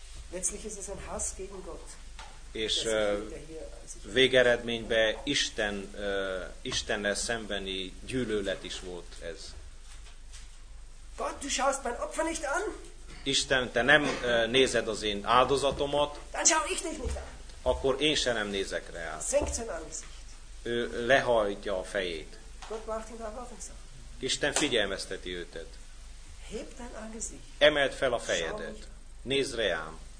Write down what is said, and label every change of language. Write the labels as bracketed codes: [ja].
[de] Letztlich ist es ein Hass gegen Gott. [hu] És végeredményben Istennel szembeni gyűlölet is volt ez. [de] Gott, du schaust mein Opfer nicht an? [hu] Isten, te nem nézed az én áldozatomat. [de] Dann schau ich dich nicht an. [hu] Akkor én se nem nézek rá. [de] Senkt sein Angesicht. [hu] Ő lehajtja a fejét. [de] Gott macht ihn darauf aufmerksam. [hu] Isten figyelmezteti őtet. [de] Heb dein Angesicht. [hu] Emeld fel a fejedet. Nézd rám.